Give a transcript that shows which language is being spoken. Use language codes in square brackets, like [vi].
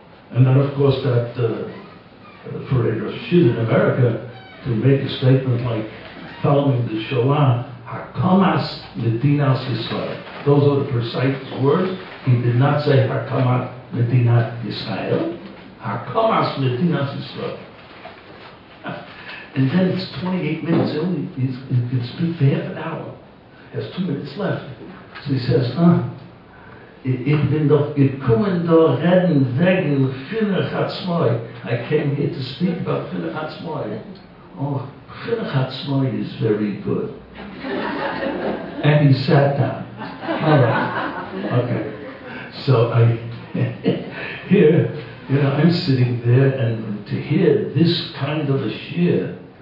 [en] And then, of course, that for a Rashid in America to make a statement like, following the Shoah, [he] Hakamas Medinas Yisrael. [en] Those are the precise words. He did not say [he] Hakamas Medinas Yisrael. Hakamas Medinas Yisrael. [en] And then it's 28 minutes. He can speak for half an hour. He has 2 minutes left. So he says, [yi] Ich bin doch gekommen da reden wegen Chinuch Atzmoi. [en] I came here to speak about Chinuch Atzmoi. Oh, Chinuch Atzmoi is very good. And he sat down. All right. Okay. So I, here, you know, I'm sitting there and to hear this kind of a shiur.